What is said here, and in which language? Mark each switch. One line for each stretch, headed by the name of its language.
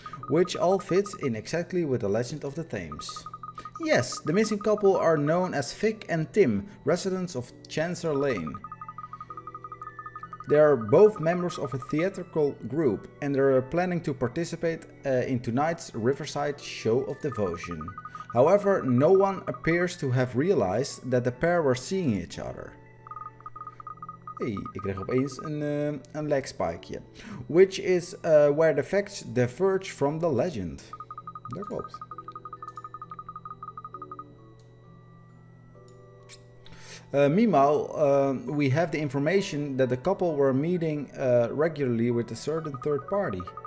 English: Which all fits in exactly with the legend of the Thames. Yes, the missing couple are known as Vic and Tim, residents of Chancer Lane. They are both members of a theatrical group and they are planning to participate in tonight's Riverside Show of Devotion. However, no one appears to have realized that the pair were seeing each other.
Dutch: Hey, ik kreeg opeens een leg spikeje.
English: Which is where the facts diverge from the legend.
Dutch: Dat klopt.
English: Meanwhile, we have the information that the couple were meeting regularly with a certain third party.